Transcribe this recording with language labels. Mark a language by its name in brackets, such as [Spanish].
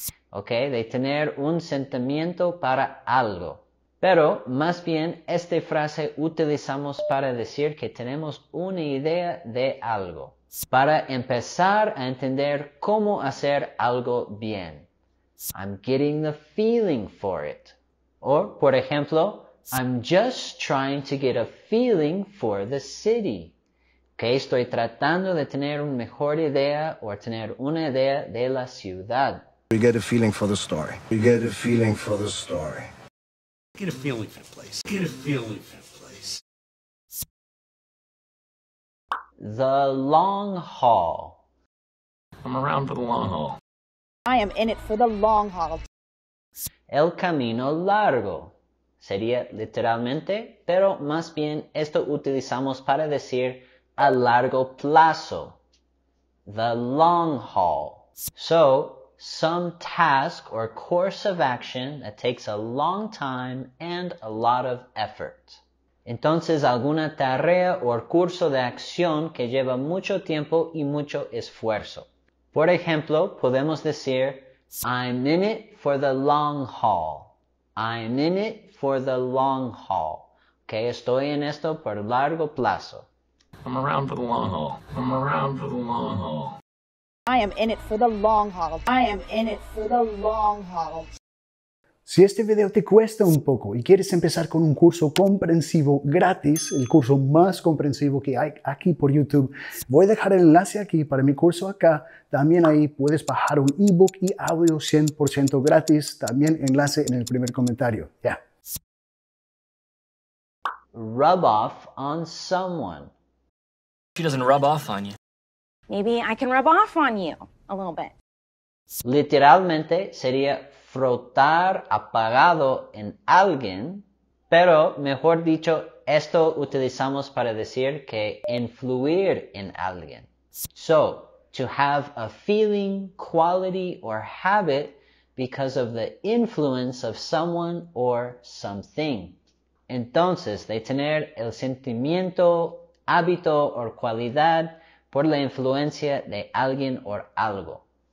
[Spanish] Okay, de tener un sentimiento para algo. Pero, más bien, esta frase utilizamos para decir que tenemos una idea de algo. Para empezar a entender cómo hacer algo bien. [English] I'm getting the feeling for it. [Spanish] O, por ejemplo, [English] I'm just trying to get a feeling for the city. [Spanish] Que estoy tratando de tener una mejor idea o tener una idea de la ciudad. [English] We get a feeling for the story. We get a feeling for the story. Get a feeling for the place. Get a feeling for the place. The long haul. I'm around for the long haul. I am in it for the long haul. [Spanish] El camino largo. Sería literalmente, pero más bien esto utilizamos para decir a largo plazo. [English] The long haul. So, some task or course of action that takes a long time and a lot of effort. [Spanish] Entonces, alguna tarea o curso de acción que lleva mucho tiempo y mucho esfuerzo. Por ejemplo, podemos decir, [English] I'm in it for the long haul. I'm in it for the long haul. Okay, [Spanish] estoy en esto por largo plazo. [English] I'm around for the long haul. I'm around for the long haul. I am in it for the long haul. I am in it for the long haul. [Spanish] Si este video te cuesta un poco y quieres empezar con un curso comprensivo gratis, el curso más comprensivo que hay aquí por YouTube, voy a dejar el enlace aquí para mi curso acá. También ahí puedes bajar un ebook y audio 100% gratis. También enlace en el primer comentario. Ya. Yeah. [English] Rub off on someone. She doesn't rub off on you. Maybe I can rub off on you a little bit. [Spanish] Literalmente sería frotar apagado en alguien, pero mejor dicho, esto utilizamos para decir que influir en alguien. [English] So, to have a feeling, quality, or habit because of the influence of someone or something. [Spanish] Entonces, de tener el sentimiento, hábito, o cualidad por la influencia de alguien o algo.